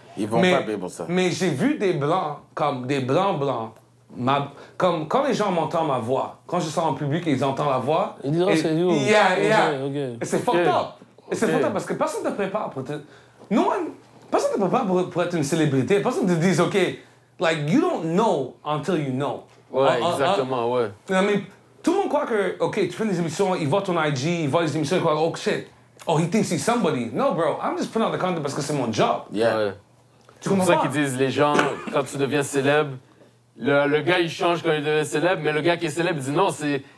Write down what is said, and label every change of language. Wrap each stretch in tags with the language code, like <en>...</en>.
<fr>Ils vont pas payer pour ça. Mais j'ai vu des blancs, comme des blancs, quand les gens m'entendent ma voix, quand je sors en public et ils entendent la voix... Ils disent, oh, c'est</fr> <en>you. Yeah, yeah.</en> <fr>Okay, okay. Et c'est fucked up. Et c'est fucked up parce que personne ne te prépare pour te... personne ne te prépare pour être une célébrité. Personne ne te dit,</fr> <en>OK, like, you don't know until you know.</en> <fr>Ouais, exactement, ouais. Mais tout le monde croit que, OK, tu fais des émissions, ils voient ton IG, ils voient les émissions, ils croient,</fr> <en>oh, shit. Oh, he thinks he's somebody. No, bro, I'm just putting out the content</en> <fr>parce que c'est mon job.</fr> <en>Yeah.</en> <fr>Tu comprends ça qu'ils disent, les gens, quand tu deviens célèbre, le gars, il change quand il devient célèbre, mais le gars qui est célèbre, il dit non, c'est les...</fr>